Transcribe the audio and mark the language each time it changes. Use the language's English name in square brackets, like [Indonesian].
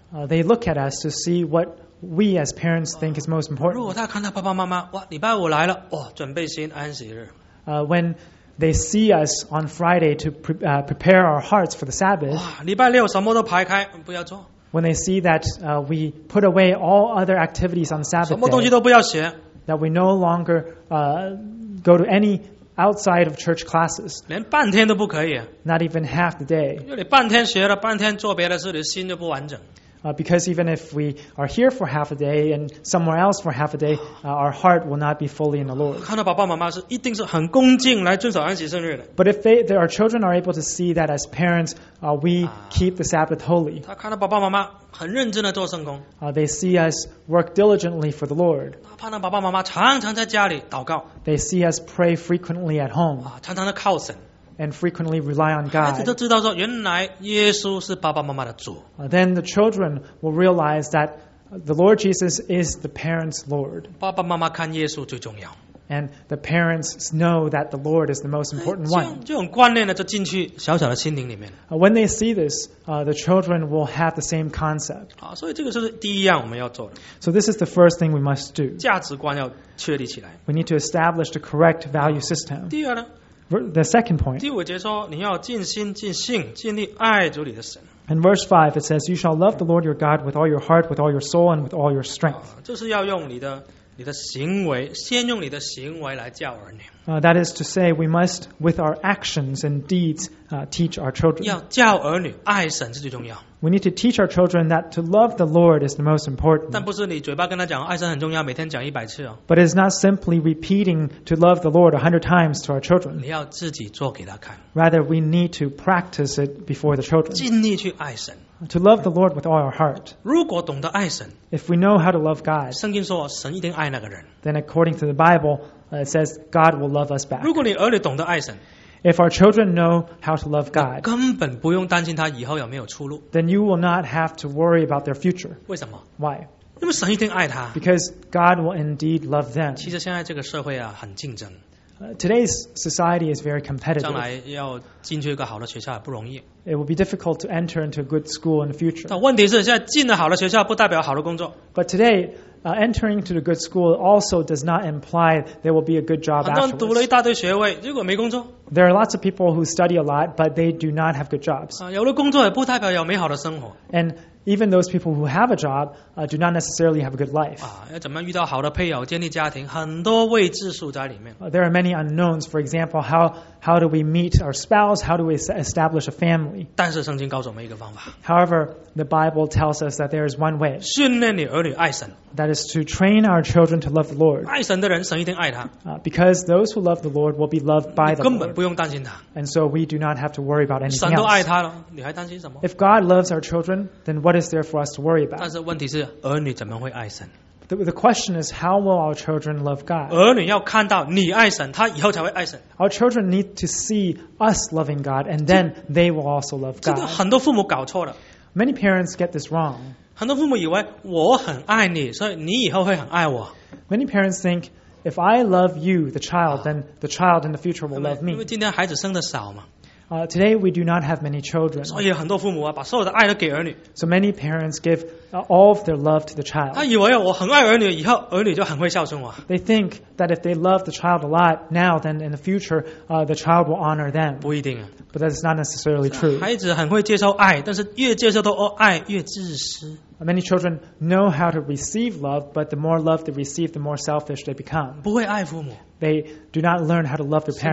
[English] They look at us to see what we as parents think is most important. [Chinese] 如果他看到爸爸妈妈，哇，礼拜五来了，哇，准备心，安息日。 [English] When they see us on Friday to prepare our hearts for the Sabbath. [Chinese] 哇，礼拜六什么都排开，不要做。 [English] When they see that we put away all other activities on Sabbath day. [Chinese] 什么东西都不要学。 [English] That we no longer go to any outside of church classes. [Chinese] 连半天都不可以。 [English] Not even half the day. [Chinese] 因为你半天学了，半天做别的事，你心就不完整。 [English] Because even if we are here for half a day and somewhere else for half a day, our heart will not be fully in the Lord. [Chinese] 看到爸爸妈妈是一定是很恭敬来遵守安息圣日的。 [English] But if our children are able to see that as parents, we keep the Sabbath holy. [Chinese] 他看到爸爸妈妈很认真的做圣工。 [English] They see us work diligently for the Lord. [Chinese] 看到爸爸妈妈常常在家里祷告。 [English] They see us pray frequently at home. [Chinese] 常常的靠神。 [English] And frequently rely on God. [Chinese] 孩子都知道说，原来耶稣是爸爸妈妈的主。 [English] Then the children will realize that the Lord Jesus is the parents' Lord. [Chinese] 爸爸妈妈看耶稣最重要。 [English] And the parents know that the Lord is the most important one. [Chinese] 这种观念呢，就进去小小的心灵里面。 [English] When they see this, the children will have the same concept. [Chinese] 好，所以这个是第一样我们要做的。 [English] So this is the first thing we must do. [Chinese] 价值观要确立起来。 [English] We need to establish the correct value system. [Chinese] 第二呢？ [English] The second point. [Chinese] 第五节说，你要尽心、尽性、尽力爱主你的神。 [English] In verse 5, it says, "You shall love the Lord your God with all your heart, with all your soul, and with all your strength." [Chinese] 就是要用你的行为，先用你的行为来教儿女。 [English] That is to say, we must with our actions and deeds teach our children. [Chinese] 要教儿女爱神是最重要。 [English] We need to teach our children that to love the Lord is the most important. [Chinese] 但不是你嘴巴跟他讲爱神很重要，每天讲一百次哦。 [English] But it's not simply repeating to love the Lord 100 times to our children. [Chinese] 你要自己做给他看。 [English] Rather, we need to practice it before the children. [Chinese] 尽力去爱神。 [English] To love the Lord with all our heart. [Chinese] 如果懂得爱神， [English] If we know how to love God, [Chinese] 圣经说神一定爱那个人。 [English] Then according to the Bible, it says God will love us back. [Chinese] 如果你儿女懂得爱神， [English] If our children know how to love God, [Chinese] 根本不用担心他以后有没有出路。 [English] Then you will not have to worry about their future. [Chinese] 为什么？ [English] Why? [Chinese] 因为神一定爱他。 [English] Because God will indeed love them. [Chinese] 其实现在这个社会啊，很竞争。 [English] Today's society is very competitive. [Chinese] 将来要进去一个好的学校也不容易。 [English] It will be difficult to enter into a good school in the future. [Chinese] 但问题是，现在进了好的学校不代表好的工作。 [English] But today, entering into a good school also does not imply there will be a good job afterwards. [Chinese] 很多人读了一大堆学位，结果没工作。 [English] There are lots of people who study a lot, but they do not have good jobs. [Chinese] 有了工作也不代表有美好的生活。 [English] And even those people who have a job do not necessarily have a good life. [Chinese] 要怎么样遇到好的配偶，建立家庭，很多未知数在里面。 [English] There are many unknowns. For example, how do we meet our spouse? How do we establish a family? [Chinese] 但是圣经告诉我们一个方法。 [English] However, the Bible tells us that there is one way. [Chinese] 训练你儿女爱神。 [English] That is to train our children to love the Lord. [Chinese] 爱神的人，神一定爱他。 [English] Because those who love the Lord will be loved by the Lord. [Chinese] 不用担心他。 [English] And so we do not have to worry about anything else. [Chinese] 神都爱他了，你还担心什么？ [English] If God loves our children, then what is there for us to worry about? [Chinese] 但是问题是，儿女怎么会爱神？ [English] The question is, how will our children love God? [Chinese] 儿女要看到你爱神，他以后才会爱神。 [English] Our children need to see us loving God, and then they will also love God. [Chinese] 这个很多父母搞错了。 [English] Many parents get this wrong. [Chinese] 很多父母以为我很爱你，所以你以后会很爱我。 [English] Many parents think, if I love you, the child, then the child in the future will love me. [Chinese] 因为今天孩子生的少嘛。 [English] Today we do not have many children. [Chinese] 所以很多父母啊，把所有的爱都给儿女。 [English] So many parents give all of their love to the child. [Chinese] 他以为我很爱儿女，以后儿女就很会孝顺我。 [English] They think that if they love the child a lot now, then in the future, the child will honor them. [Chinese] 不一定啊。 [English] But that is not necessarily true. [Chinese] 孩子很会接受爱，但是越接受到爱越自私。 [English] Many children know how to receive love, but the more love they receive, the more selfish they become. [Chinese] 不会爱父母。 [English] They do not learn how to love their parents.